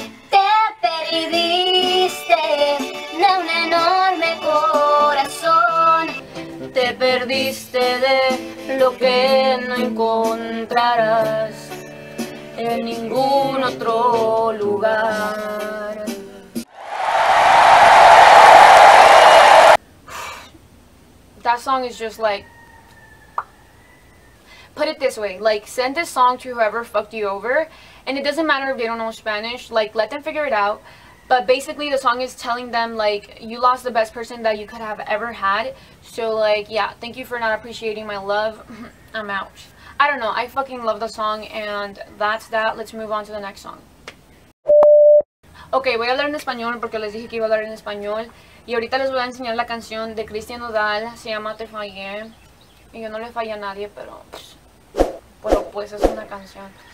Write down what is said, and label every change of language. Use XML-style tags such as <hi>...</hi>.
<es>Te perdiste de un enorme corazón. Te per perdiste de lo que no encontrarás en ningún otro lugar.</es> <en>That song is just like, put it this way, like, send this song to whoever fucked you over, and it doesn't matter if they don't know Spanish, like, let them figure it out. But basically the song is telling them, like, you lost the best person that you could have ever had, so, like, yeah, thank you for not appreciating my love. I'm out. I don't know, I fucking love the song, and that's that. Let's move on to the next song.</en> <es>Okay, voy a hablar en español porque les dije que iba a hablar en español. Y ahorita les voy a enseñar la canción de Cristian Nodal, se llama Te Fallé. Y yo no le fallé a nadie, pero... Pero pues es una canción.</es>